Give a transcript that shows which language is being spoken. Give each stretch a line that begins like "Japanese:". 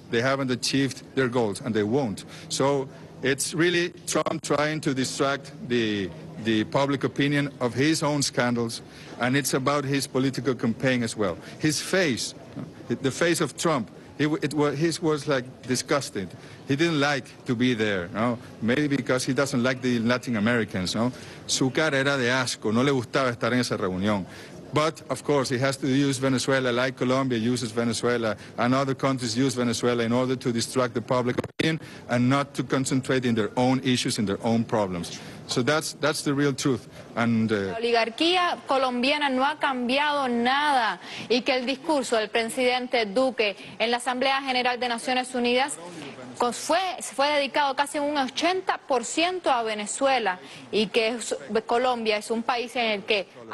English: They haven't achieved their goals, and they won't. So it's really Trump trying to distract the public opinion of his own scandals, and it's about his political campaign as well. His face, the face of Trump, his was like disgusted. He didn't like to be there, no? Maybe because he doesn't like the Latin Americans, no?
Spanish: Su cara era de asco, no le gustaba estar en esa reunión.
English: But, of course, he has to use Venezuela like Colombia uses Venezuela and other countries use Venezuela in order to distract the public opinion and not to concentrate in their own issues, in their own problems. So that's the real truth. And,
Spanish: la oligarquía colombiana no ha cambiado nada, y que el discurso del presidente Duque en la Asamblea General de Naciones Unidas fue dedicado casi un 80% a Venezuela, y que Colombia es un país en el que...